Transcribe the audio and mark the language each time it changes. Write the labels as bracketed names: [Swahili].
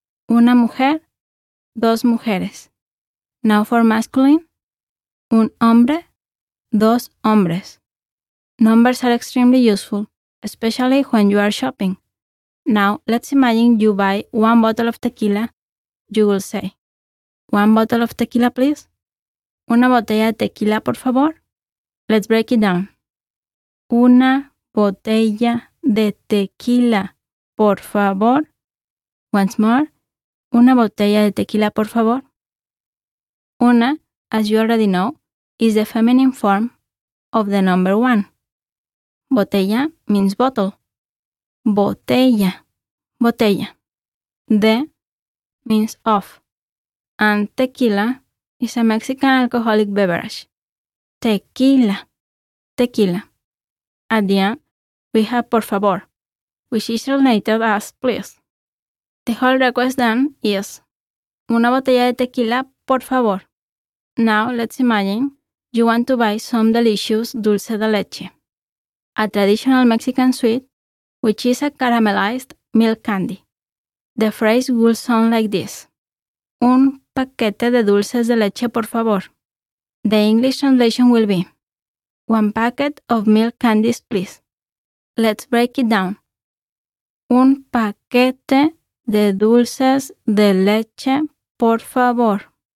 [Spanish] Una mujer, dos mujeres. [English] Now for masculine, [Spanish] un hombre, dos hombres. [English] Numbers are extremely useful, especially when you are shopping. Now, let's imagine you buy one bottle of tequila. You will say, one bottle of tequila, please. [Spanish] Una botella de tequila, por favor. [English] Let's break it down. [Spanish] Una botella de tequila, por favor. [English] Once more. [Spanish] Una botella de tequila, por favor. [English] Una, as you already know, is the feminine form of the number 1. [Spanish] Botella [English] means bottle. [Spanish] Botella. Botella. [English] De means of. And tequila is a Mexican alcoholic beverage. Tequila. Tequila. At the end, we have [Spanish] por favor, [English] which is translated as please. The whole request then is [Spanish] una botella de tequila, por favor. [English] Now, let's imagine you want to buy some delicious dulce de leche, a traditional Mexican sweet, which is a caramelized milk candy. The phrase will sound like this. [Spanish] Un paquete de dulces de leche, por favor. [English] The English translation will be one packet of milk candies, please. Let's break it down. [Spanish] Un paquete de dulces de leche, por favor.